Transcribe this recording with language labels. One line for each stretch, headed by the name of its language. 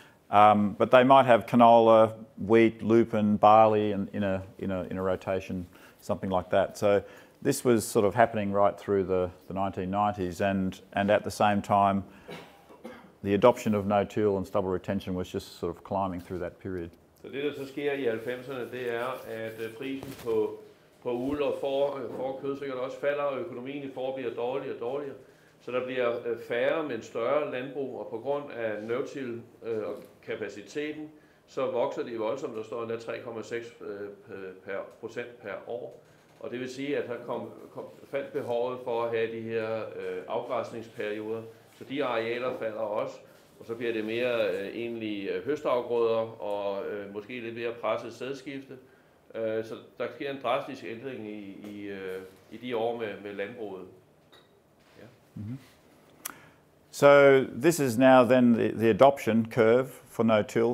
English: But they might have canola, wheat, lupin, barley and in a rotation, something like that. So this was sort of happening right through the 1990s, and at the same time, the adoption of no-till and stubble retention was just sort of climbing through that period.
Danish: Så det, der så sker i 90'erne, det er, at prisen på uld og for kød sikkert også falder, og økonomien i for bliver dårligere og dårligere. Så der bliver færre, men større landbrug, og på grund af no-till og kapaciteten, så vokser de voldsomt. Der står endda 3,6% per år. Og det vil sige, at der faldt behovet for at have de her afgræsningsperioder, så de arealer falder også, og så bliver det mere egentlig høstafgrøder og måske lidt mere presset sædskifte. Så der sker en drastisk ændring i de år med landbruget. Ja. Mm-hmm.
English: So this is now then the adoption curve for no-till.